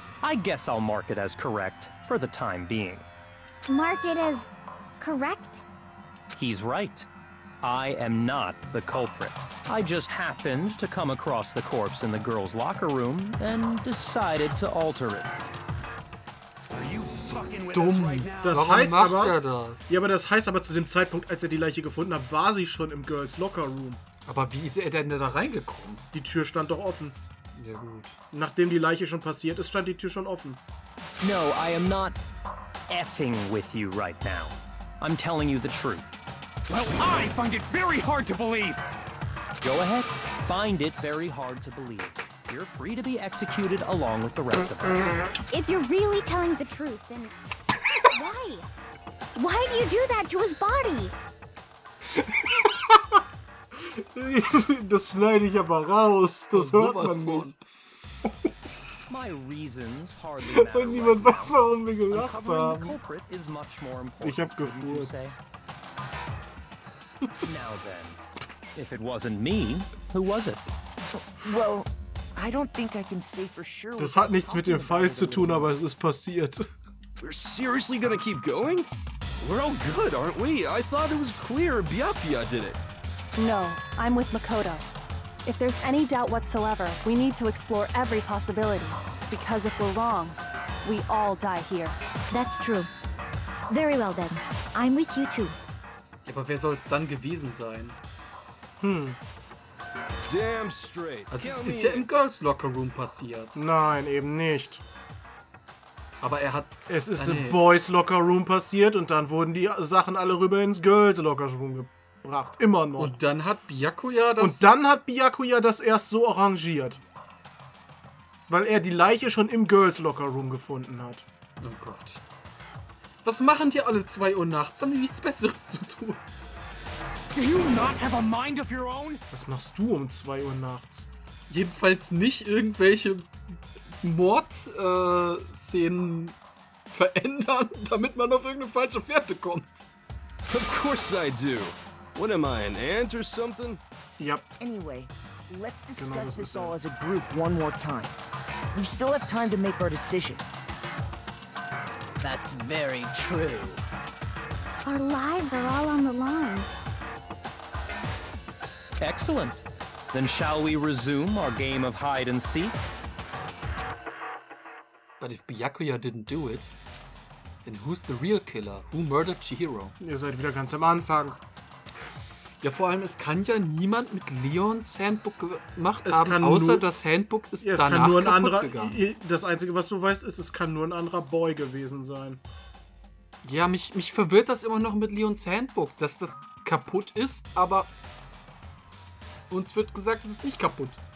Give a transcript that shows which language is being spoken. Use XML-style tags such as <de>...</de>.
<en>I guess I'll mark it as correct for the time being. Mark it as correct? He's right. I am not the culprit. I just happened to come across the corpse in the girls' locker room and decided to alter it.</en> <de>Dumm. Das heißt aber, ja, aber das heißt aber, zu dem Zeitpunkt, als er die Leiche gefunden hat, war sie schon im Girls Locker Room. Aber wie ist er denn da reingekommen? Die Tür stand doch offen. Ja gut. Nachdem die Leiche schon passiert ist, stand die Tür schon offen.</de> <en>No, I am not effing with you right now. I'm telling you the truth. Well, I find it very hard to believe. Go ahead, find it very hard to believe. You're free to be executed along with the rest of us. If you're really telling the truth, then why? Why do you do that to his body?</en> <de>Das schneide ich aber raus. Das hört man nicht.</de> <en>My reasons hardly matter.</en> <de>Und niemand weiß, warum wir gelacht haben. Ich hab gefurzt.</de> <en>Now then, if it wasn't me, who was it? Well, I don't think I can say for sure.</en> <de>Das hat nichts mit dem Fall zu tun, aber es ist passiert.</de> <en>We're seriously gonna keep going? We're all good, aren't we? I thought it was clear Byakuya did it. No, I'm with Makoto. If there's any doubt whatsoever, we need to explore every possibility. Because if we're wrong, we all die here. That's true. Very well then. I'm with you too.</en> <de>Ja, aber wer soll es dann gewesen sein?</de> <en>Damn straight.</en> <de>Also es ist ja im Girls Locker Room passiert. Nein, eben nicht. Aber er hat... Es ist im Boys Locker Room passiert und dann wurden die Sachen alle rüber ins Girls Locker Room gebracht. Immer noch. Und dann hat Byakuya das... Und dann hat Byakuya das erst so arrangiert. Weil er die Leiche schon im Girls Locker Room gefunden hat. Oh Gott. Was machen die alle 2 Uhr nachts? Haben die nichts Besseres zu tun?</de> <en>Do you not have a mind of your own?</en> <de>Was machst du um 2 Uhr nachts? Jedenfalls nicht irgendwelche Mordszenen verändern, damit man auf irgendeine falsche Fährte kommt.</de> <en>Of course I do. What am I, an ant or something? Yep. Anyway, let's discuss this all as a group one more time. We still have time to make our decision. That's very true. Our lives are all on the line. Excellent. Then shall we resume our game of hide and seek? But if Byakuya didn't do it, then who's the real killer? Who murdered Chihiro?</en> <de>Ihr seid wieder ganz am Anfang. Ja, vor allem, es kann ja niemand mit Leons Handbook gemacht es haben, außer nur, das Handbook ist ja, danach nur ein kaputt anderer, gegangen. Das Einzige, was du weißt, ist, es kann nur ein anderer Boy gewesen sein. Ja, mich verwirrt das immer noch mit Leons Handbook, dass das kaputt ist, aber uns wird gesagt, es ist nicht kaputt.</de>